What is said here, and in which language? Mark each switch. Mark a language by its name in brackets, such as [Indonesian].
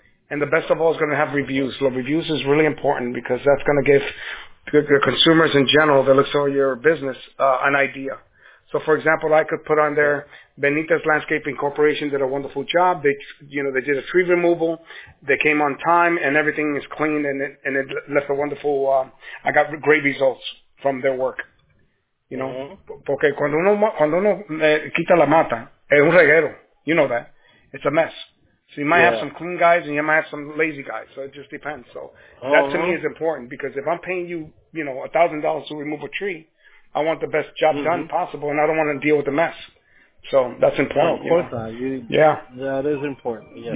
[English] And the best of all is going to have reviews. So reviews is really important because that's going to give the consumers in general that looks over your business an idea. So, for example, I could put on there, Benitez Landscaping Corporation did a wonderful job. They did a tree removal. They came on time, and everything is clean, and it left a wonderful, I got great results from their work. You know? Mm-hmm. [Spanish] Porque cuando uno quita la mata, es un reguero. [English] You know that. It's a mess. So you might have some clean guys, and you might have some lazy guys. So it just depends. So that, to me, is important, because if I'm paying you, $1,000 to remove a tree, I want the best job done possible, and I don't want to deal with the mess. So that's important. Of course not. That is important. Yes.